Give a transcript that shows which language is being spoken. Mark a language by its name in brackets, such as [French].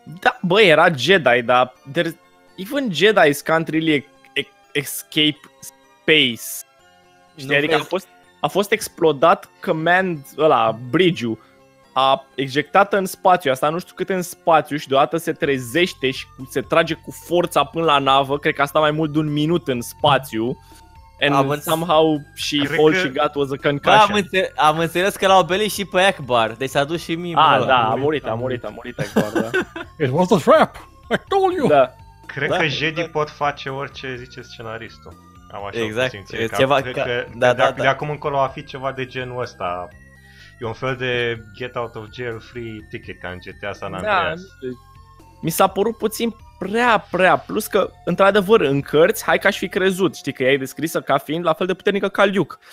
[Romanian] Da, bă, era Jedi, dar [English] even Jedi can't really escape space. [Romanian] Știi, adică a fost explodat command ăla, bridge-ul, a ejectat în spațiu, asta nu știu cât în spațiu și deodată se trezește și se trage cu forța până la navă, cred că a stat mai mult de un minut în spațiu. [English] And somehow she fall she got was a concussion. [Romanian] Am înțeles că l-au belit și pe Akbar, deci s-a dus și mie. A murit [English] Akbar, [Romanian] da. [English] It was a trap, I told you. [Romanian] Da. Cred că Jedi pot face orice zice scenaristul. Am așa exact. De acum încolo va fi ceva de genul ăsta. E un fel de [English] get out of jail free ticket [Romanian] ca în GTA San Andreas. Da. Mi s-a părut puțin prea, plus că, într-adevăr, în cărți, hai că aș fi crezut, știi că ea e descrisă ca fiind la fel de puternică ca Luke.